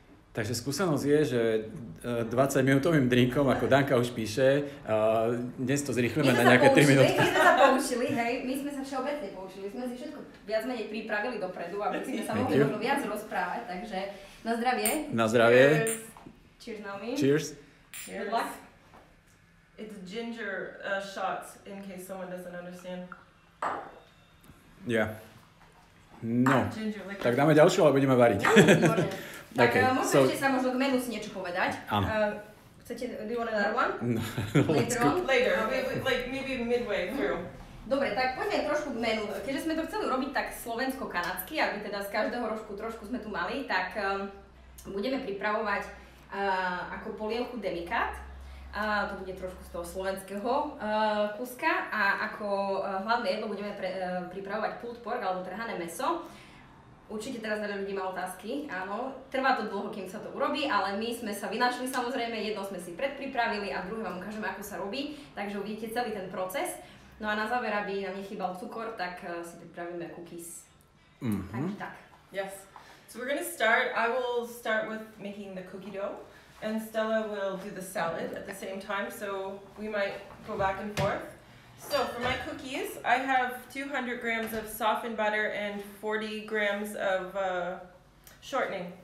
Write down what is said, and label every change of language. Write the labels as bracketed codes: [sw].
[sk] Takže skúsenosť je, že 20-minútovým drinkom, ako Danka už píše, dnes to zrýchlime na nejaké 3 minúty. My sme sa všeobecne poučili, sme si všetko viac menej pripravili dopredu, aby sme sa mohli možno viac rozprávať, takže na zdravie. Na zdravie. [en] Cheers, Naomi. Cheers. Good luck. It's ginger shots, in case someone doesn't understand. Yeah. [sk] No, tak dáme ďalšiu, ale budeme variť. Tak, okay. Môžete sa možno k menu si niečo povedať. Áno. Chcete, [en] do you want another one? No, Later, maybe midway through. [sk] Dobre, tak poďme trošku k menu. Keďže sme to chceli robiť tak slovensko-kanadsky, aby teda z každého rožku trošku sme tu mali, tak budeme pripravovať ako polievku demikat. To bude trošku z toho slovenského kuska. A ako hlavné jedlo budeme pripravovať pulled pork, alebo trhané meso. Určite teraz veľa ľudí má otázky, áno. Trvá to dlho, kým sa to urobí, ale my sme sa vynašli samozrejme, jedno sme si predpripravili a druhé vám ukážeme, ako sa robí, takže uvidíte celý ten proces. No a na záver, aby nám nechýbal cukor, tak si pripravíme cookies. Mm-hmm. Tak. [en] Yes. So we're gonna start, I will start with making the cookie dough and Stella will do the salad at the same time, so we might go back and forth. So for my cookies, I have 200 grams of softened butter and 40 grams of shortening.